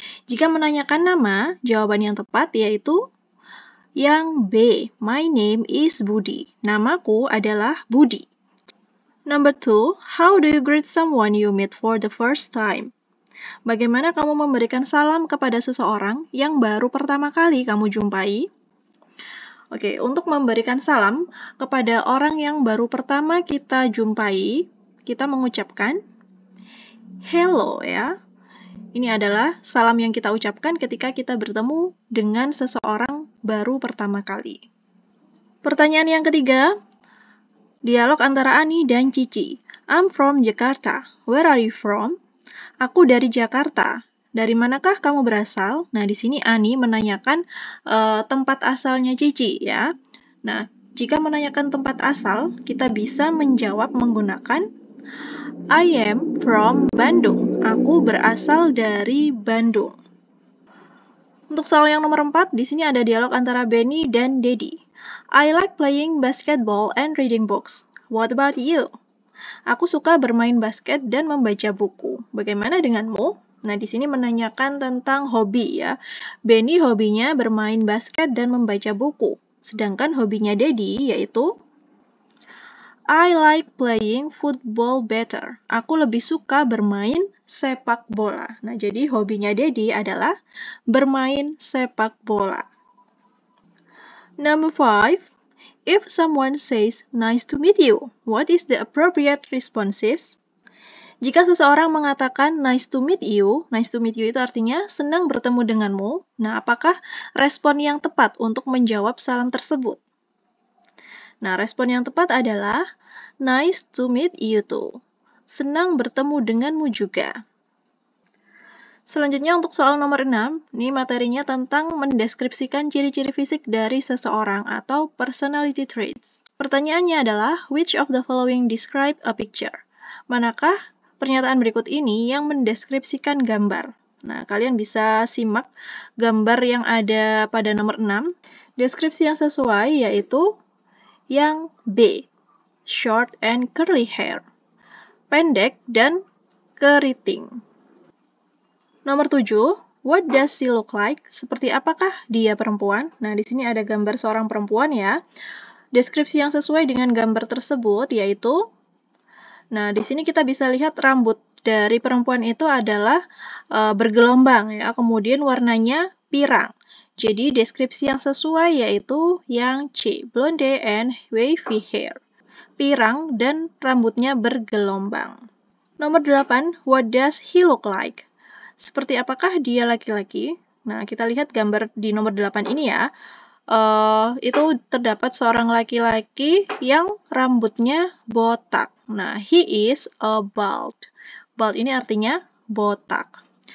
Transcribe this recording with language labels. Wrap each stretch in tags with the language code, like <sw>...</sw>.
<id>Jika menanyakan nama, jawaban yang tepat yaitu yang B.</id> <en>My name is Budi.</en> <id>Namaku adalah Budi.</id> <en>Number two, how do you greet someone you meet for the first time?</en> <id>Bagaimana kamu memberikan salam kepada seseorang yang baru pertama kali kamu jumpai? Oke, untuk memberikan salam kepada orang yang baru pertama kita jumpai, kita mengucapkan hello ya. Ini adalah salam yang kita ucapkan ketika kita bertemu dengan seseorang baru pertama kali. Pertanyaan yang ketiga, dialog antara Ani dan Cici.</id> <en>I'm from Jakarta. Where are you from?</en> <id>Aku dari Jakarta. Dari manakah kamu berasal? Nah, di sini Ani menanyakan tempat asalnya Cici, ya. Nah, Jika menanyakan tempat asal, kita bisa menjawab menggunakan</id> <en>I am from Bandung.</en> <id>Aku berasal dari Bandung. Untuk soal yang nomor 4, di sini ada dialog antara Benny dan Daddy.</id> <en>I like playing basketball and reading books. What about you?</en> <id>Aku suka bermain basket dan membaca buku. Bagaimana denganmu? Nah, di sini menanyakan tentang hobi ya. Benny hobinya bermain basket dan membaca buku. Sedangkan hobinya Daddy yaitu</id> <en>I like playing football better.</en> <id>Aku lebih suka bermain sepak bola. Nah, jadi hobinya Daddy adalah bermain sepak bola.</id> <en>Number 5. If someone says nice to meet you, what is the appropriate responses?</en> <id>Jika seseorang mengatakan</id> <en>nice to meet you</en> <id>itu artinya senang bertemu denganmu. Nah, apakah respon yang tepat untuk menjawab salam tersebut? Nah, respon yang tepat adalah</id> <en>nice to meet you too.</en> <id>Senang bertemu denganmu juga. Selanjutnya untuk soal nomor 6, ini materinya tentang mendeskripsikan ciri-ciri fisik dari seseorang atau personality traits. Pertanyaannya adalah,</id> <en>which of the following describe a picture?</en> <id>Manakah pernyataan berikut ini yang mendeskripsikan gambar? Nah, kalian bisa simak gambar yang ada pada nomor 6. Deskripsi yang sesuai yaitu yang B,</id> <en>short and curly hair,</en> <id>pendek dan keriting.</id> <en>Nomor 7, what does she look like?</en> <id>Seperti apakah dia perempuan? Nah, di sini ada gambar seorang perempuan ya. Deskripsi yang sesuai dengan gambar tersebut yaitu, nah, di sini kita bisa lihat rambut dari perempuan itu adalah bergelombang ya, kemudian warnanya pirang. Jadi, deskripsi yang sesuai yaitu yang C,</id> <en>blonde and wavy hair.</en> <id>Pirang dan rambutnya bergelombang.</id> <en>Nomor 8, what does he look like?</en> <id>Seperti apakah dia laki-laki? Nah, kita lihat gambar di nomor 8 ini ya. Itu terdapat seorang laki-laki yang rambutnya botak.</id> <en>Nah, he is a bald. Bald</en> <id>ini artinya botak.</id>